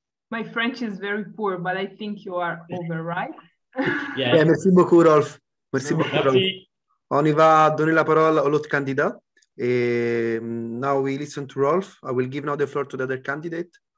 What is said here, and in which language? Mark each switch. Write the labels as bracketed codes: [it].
[en] My French is very poor, but I think you are over, right? Yeah. Yeah, [fr] merci beaucoup, Rolf. Merci beaucoup, Rolf. On y va donner la parole à l'autre candidat. [en] Now we listen to Rolf. I will give now the floor to the other candidate.